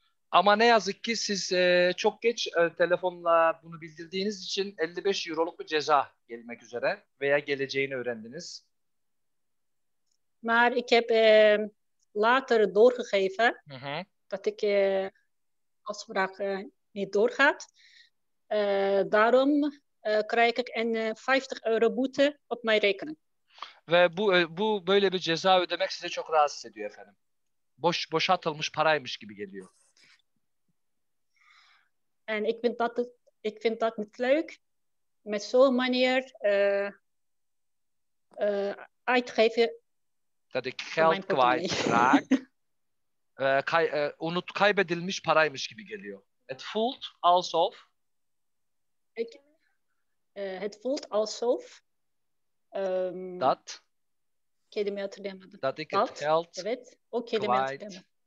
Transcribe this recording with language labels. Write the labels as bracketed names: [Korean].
[Turkish] Ama ne yazık ki siz çok geç telefonla bunu bildirdiğiniz için 55 euroluk bir ceza gelmek üzere veya geleceğini öğrendiniz. [Dutch] Maar ik heb later doorgegeven dat ik afspraak niet doorgaat. Daarom krijg ik een 50 euro boete op mijn rekening. [Turkish] Ve bu böyle bir ceza ödemek size çok rahatsız ediyor efendim. Boşa atılmış paraymış gibi geliyor. [Dutch] En ik vind dat niet leuk. Met zo'n manier uitgeven. Dat ik Van geld mijn kwijtraak. portemonnee. [Turkish] Kaybedilmiş paraymış gibi geliyor. [Dutch] Het voelt alsof. Het voelt alsof. Dat. [Turkish] Kelimeyi hatırlayamadım. [Dutch] Dat ik het Dat, geld [Turkish] evet. O kelimeyi hatırlayamadım.